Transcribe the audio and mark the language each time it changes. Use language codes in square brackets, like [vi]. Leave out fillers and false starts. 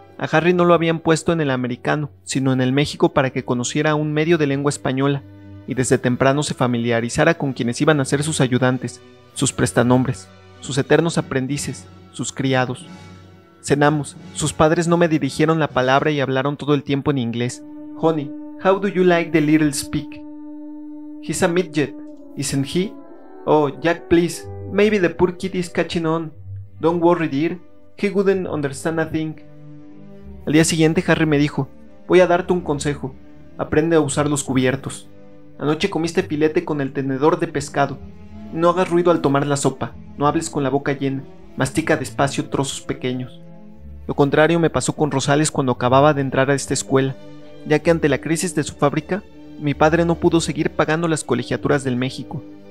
[es] A Harry no lo habían puesto en el americano, sino en el México para que conociera un medio de lengua española y desde temprano se familiarizara con quienes iban a ser sus ayudantes, sus prestanombres, sus eternos aprendices, sus criados. Cenamos. Sus padres no me dirigieron la palabra y hablaron todo el tiempo en inglés. [en] Honey, how do you like the little speak? He's a midget, isn't he? Oh, Jack, please. Maybe the poor kid is catching on. Don't worry, dear. He wouldn't understand a thing. [es] Al día siguiente, Harry me dijo: voy a darte un consejo. Aprende a usar los cubiertos. Anoche comiste filete con el tenedor de pescado. No hagas ruido al tomar la sopa. No hables con la boca llena. Mastica despacio trozos pequeños. Lo contrario me pasó con Rosales cuando acababa de entrar a esta escuela, ya que ante la crisis de su fábrica, mi padre no pudo seguir pagando las colegiaturas del México.